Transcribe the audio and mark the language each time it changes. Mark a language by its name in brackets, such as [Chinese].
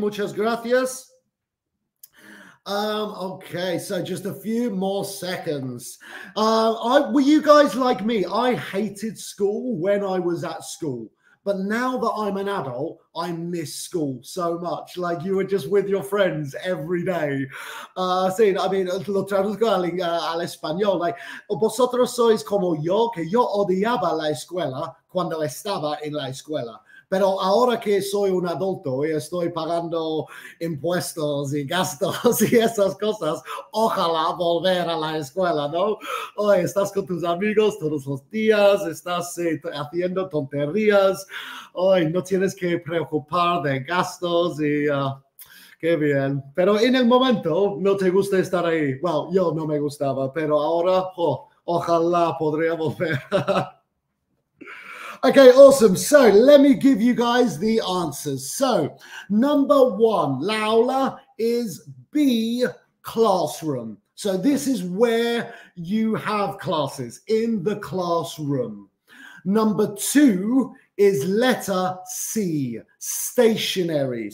[Spanish] Muchas gracias. [English] Okay, so just a few more seconds. Were you guys like me? I hated school when I was at school. But now that I'm an adult, I miss school so much. Like, you were just with your friends every day. [Spanish] Lo traduzco al español. Like, vosotros sois como yo, que yo odiaba la escuela cuando estaba en la escuela. Pero ahora que soy un adulto y estoy pagando impuestos y gastos y esas cosas, ojalá volver a la escuela, ¿no? Hoy estás con tus amigos todos los días, estás haciendo tonterías, hoy no tienes que preocupar de gastos y... qué bien. Pero en el momento no te gusta estar ahí. Bueno, yo no me gustaba, pero ahora ojalá podría volver. [English] Okay, awesome. So let me give you guys the answers. So number one, la aula is B, classroom. So this is where you have classes, in the classroom. Number two is letter C, stationary.